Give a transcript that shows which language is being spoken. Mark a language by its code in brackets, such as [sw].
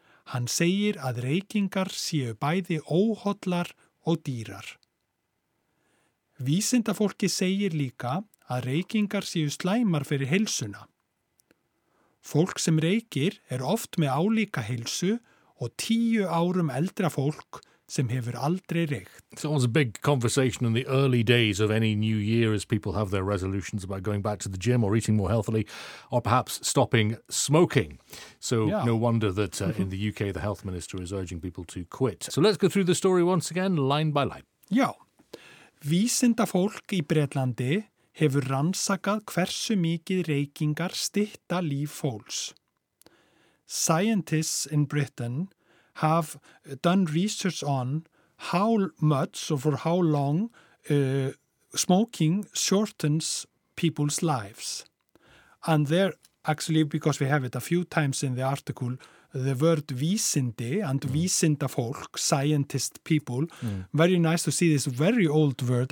[is] Hann segir að reykingar séu bæði óhollar og dýrar. Vísindafólki segir líka að reykingar séu slæmar fyrir heilsuna. Fólk sem reykir oft með álíka heilsu og 10 árum eldra fólk sem hefur aldrei reykt. [en] So it was a big conversation in the early days of any new year as people have their resolutions about going back to the gym or eating more healthily or perhaps stopping smoking. So yeah. No wonder that in the UK the health minister is urging people to quit. So let's go through the story once again, line by line. [is] Já, vísindafólk í Bretlandi hefur rannsakað hversu mikið reykingar stytta líf fólks. [en] Scientists in Britain have done research on how much or for how long smoking shortens people's lives. And there, actually, because we have it a few times in the article, the word vísindi and vísindafólk, scientist people, very nice to see this very old word.